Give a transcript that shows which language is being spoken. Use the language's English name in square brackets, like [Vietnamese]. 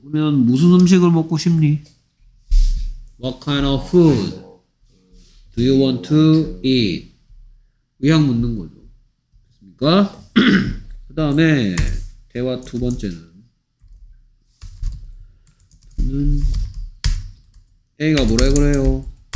[Korean] 그러면 무슨 음식을 먹고 싶니? [English] What kind of food do you want to eat? [Korean] 의향 묻는 거죠. 됐습니까? 그 다음에 대화 두 번째는 A가 뭐라 그래요?